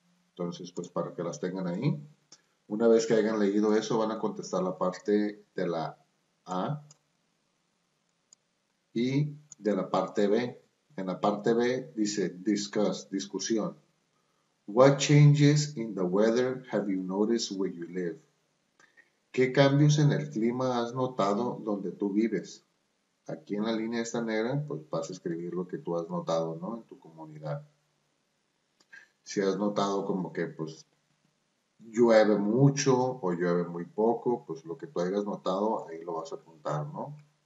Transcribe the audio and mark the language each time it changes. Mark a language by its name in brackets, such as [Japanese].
[Spanish] Entonces, pues para que las tengan ahí, una vez que hayan leído eso, van a contestar la parte de la A y de la parte B. En la parte B dice, discuss, discusión. [English] What changes in the weather have you noticed where you live? [Spanish] ¿Qué cambios en el clima has notado donde tú vives? Aquí en la línea esta negra, pues vas a escribir lo que tú has notado, ¿no? En tu comunidad. Si has notado como que, pues, llueve mucho o llueve muy poco, pues lo que tú hayas notado, ahí lo vas a apuntar, ¿no?